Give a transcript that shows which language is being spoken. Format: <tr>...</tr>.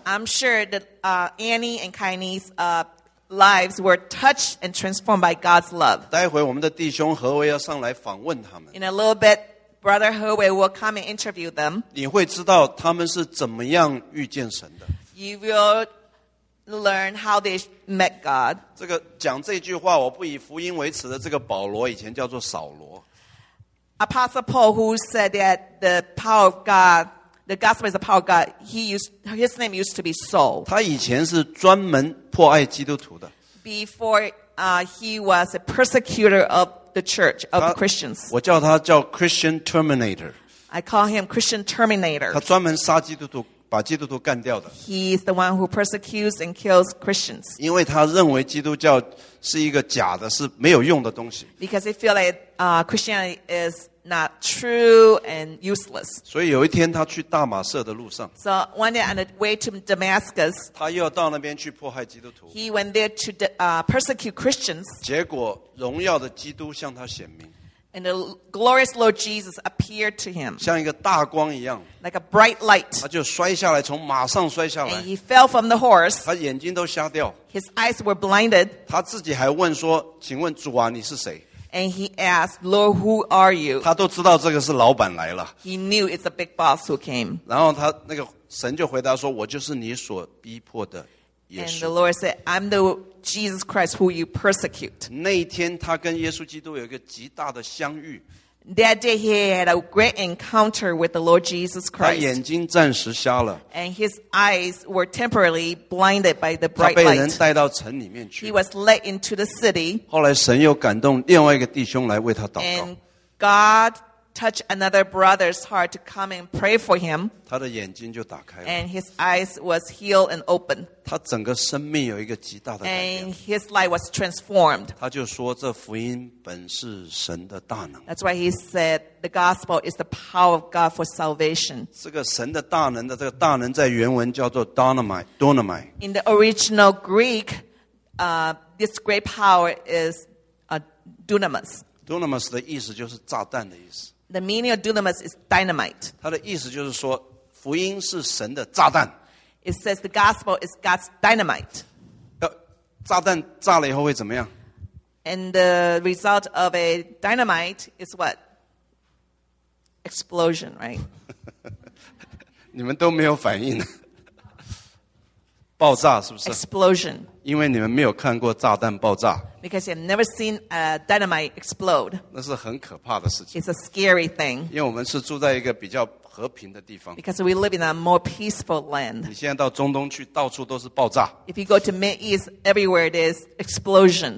<en>I'm sure that Annie and Kaini's lives were touched and transformed by God's love.</en> <zh>待会我们的弟兄何威要上来访问他们。</zh> <en>In a little bit, Brother Hervey will come and interview them.</en> <zh>你会知道他们是怎么样遇见神的。</zh> <en>You will learn how they met God.</en> <zh>讲这句话我不以福音为耻的这个保罗以前叫做扫罗。</zh> <en>Apostle Paul, who said that the power of God, the gospel is the power of God, his name used to be Saul.</en> <zh>他以前是专门迫爱基督徒的。</zh> <en>Before he was a persecutor of the church, of Christians.</en> <zh>我叫他叫</zh> <en>Christian Terminator. I call him Christian Terminator.</en> <zh>他专门杀基督徒, 把基督徒干掉的。</zh> <en>He's the one who persecutes and kills Christians.</en> <zh>因为他认为基督教是一个假的, 是没有用的东西。</zh> <en>Because he feels like Christianity is not true and useless.</en> <zh>所以有一天他去大马色的路上,</zh> <en>so one day on the way to Damascus,</en> <zh>他又到那边去迫害基督徒,</zh> <en>he went there to persecute Christians.</en> <zh>结果荣耀的基督向他显明,</zh> <en>and the glorious Lord Jesus appeared to him,</en> <zh>像一个大光一样,</zh> <en>like a bright light.</en> <zh>他就摔下来, 从马上摔下来,</zh> <en>and he fell from the horse.</en> <zh>他眼睛都瞎掉,</zh> <en>his eyes were blinded.</en> <zh>他自己还问说, 请问主啊, 你是谁?</zh> <en>And he asked, Lord, who are you?</en> <zh>他都知道这个是老板来了。</zh> <en>He knew it's a big boss who came.</en> <zh>然后他那个神就回答说, 我就是你所逼迫的耶稣。</zh> <en>And the Lord said, I'm the Jesus Christ who you persecute.</en> <zh>那一天他跟耶稣基督有一个极大的相遇。</zh> <en>That day he had a great encounter with the Lord Jesus Christ.</en> <zh>他眼睛暂时瞎了。</zh> <en>And his eyes were temporarily blinded by the bright light.</en> <zh>他被人带到城里面去。</zh> <en>He was led into the city.</en> <zh>后来神又感动另外一个弟兄来为他祷告。</zh> <en>And God touched another brother's heart to come and pray for him.</en> <zh>他的眼睛就打开了。</zh> <en>And his eyes was healed and opened.</en> <zh>他整个生命有一个极大的改变。</zh> <en>And his life was transformed.</en> <zh>他就说这福音本是神的大能。</zh> <en>That's why he said the gospel is the power of God for salvation.</en> <zh>这个神的大能的这个大能在原文叫做dunamai。</zh> <en>In the original Greek, this great power is dunamis.</en> <zh>Dunamis的意思就是炸弹的意思。</zh> <en>The meaning of dunamis is dynamite.</en> <zh>他的意思就是说, 福音是神的炸弹。</zh> <en>It says the gospel is God's dynamite.</en> <zh>炸弹炸了以后会怎么样?</zh> <en>And the result of a dynamite is what? Explosion, right?</en> <zh>你们都没有反应。爆炸是不是</zh> <en>explosion.</en> <zh>因为你们没有看过炸弹爆炸</zh> <en>because you've never seen a dynamite explode.</en> <zh>那是很可怕的事情</zh> <en>It's a scary thing.</en> <zh>因为我们是住在一个比较和平的地方</zh> <en>because we live in a more peaceful land.</en> <zh>你现在到中东去，到处都是爆炸</zh> <en>If you go to Middle East, everywhere it is explosions.</en>